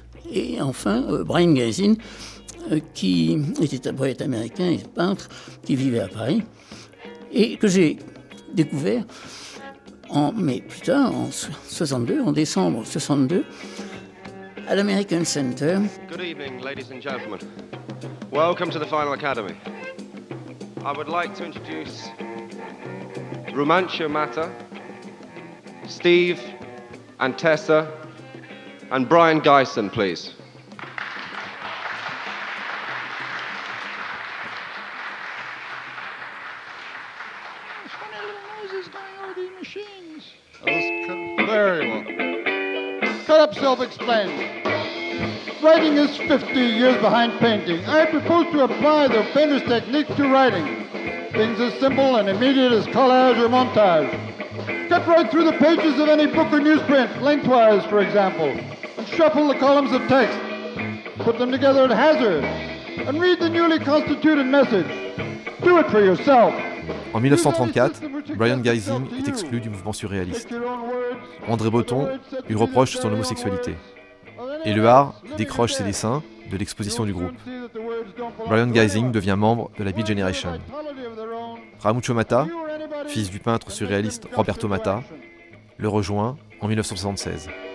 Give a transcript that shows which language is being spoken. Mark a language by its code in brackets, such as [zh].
[fr] Et enfin, Brian Gazin, qui était un poète américain et peintre, qui vivait à Paris, et que j'ai découvert en 62, en décembre 62, à l'American Center. [en] Good evening, ladies and gentlemen. Welcome to the Final Academy. I would like to introduce Rumantia Mata, Steve and Tessa, and Brian Gyson, please. Oh, funny little noises going over these machines. Very well. Cut up self-explanatory. Writing is 50 years behind painting. I propose to apply the painter's technique to writing. things as simple and immediate as collage or montage. Cut right through the pages of any book or newsprint, lengthwise, for example, and shuffle the columns of text. Put them together at hazard, and read the newly constituted message. Do it for yourself. [fr] En 1934, Brian Gysing est exclu du mouvement surréaliste. André Breton lui reproche son homosexualité. Et Lehar décroche ses dessins de l'exposition du groupe. Brian Gysing devient membre de la Beat Generation. Ramucho Mata, fils du peintre surréaliste Roberto Mata, le rejoint en 1976.